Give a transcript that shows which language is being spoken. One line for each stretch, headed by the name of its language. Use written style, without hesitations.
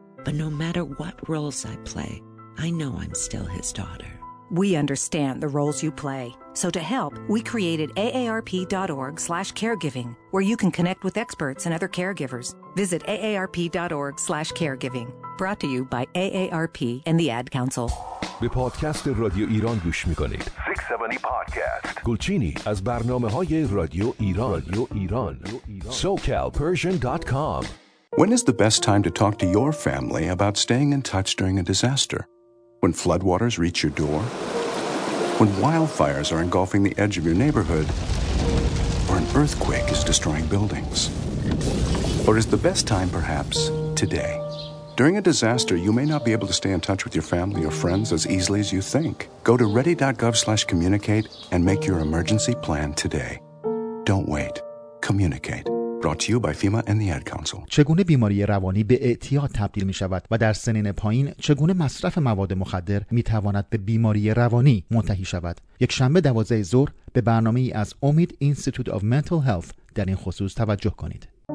English: But no matter what roles I play, I know I'm still his daughter. We understand the roles you play. So to help, we created aarp.org/caregiving, where you can connect with experts and other caregivers. Visit aarp.org/caregiving. Brought to you by AARP and the Ad Council.
Persian: به پادکست رادیو ایران گوش میکنید. 670 پادکست. گلچینی از برنامه‌های رادیو ایران.
English: SoCalPersian.com. When is the best time to talk to your family about staying in touch during a disaster? When floodwaters reach your door? When wildfires are engulfing the edge of your neighborhood? Or an earthquake is destroying buildings? Or is the best time perhaps today? During a disaster, you may not be able to stay in touch with your family or friends as easily as you think. Go to ready.gov/communicate and make your emergency plan today. Don't wait. Communicate. Brought to you by FEMA and the Ad Council.
Persian: چگونه بیماری روانی به اعتیاد تبدیل می شود و در سنین پایین چگونه مصرف مواد مخدر می تواند به بیماری روانی منتهی شود؟ یک شنبه 12 ظهر به برنامه ای از امید اینستیتوت آف منتال هلث در این خصوص توجه کنید.